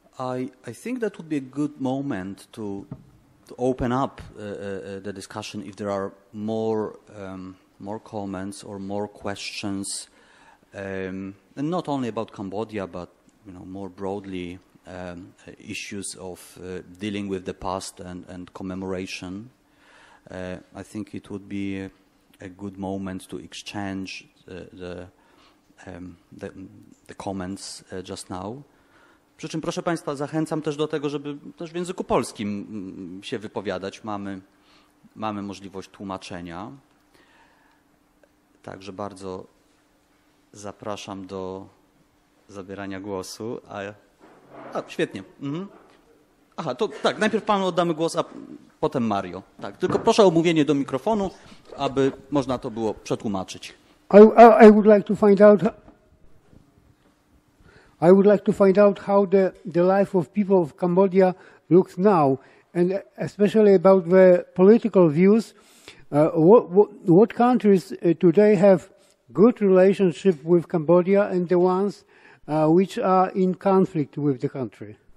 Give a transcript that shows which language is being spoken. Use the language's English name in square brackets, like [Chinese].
[English] I think that would be a good moment to open up the discussion if there are more comments or more questions, and not only about Cambodia, but you know, more broadly, issues of dealing with the past and commemoration. I think it would be a good moment to exchange the comments just now. [Polish] Przy czym, proszę Państwa, zachęcam też do tego, żeby też w języku polskim się wypowiadać. Mamy możliwość tłumaczenia. Także bardzo zapraszam do zabierania głosu. A świetnie. Mhm. Aha, to tak, najpierw panu oddamy głos, a potem Mario. Tak, tylko proszę o mówienie do mikrofonu, aby można to było przetłumaczyć. [English] I would like to find out. I would like to find out how the life of people of Cambodia looks now, and especially about the political views. What countries today have good relationship with Cambodia and the ones which are in conflict with the country?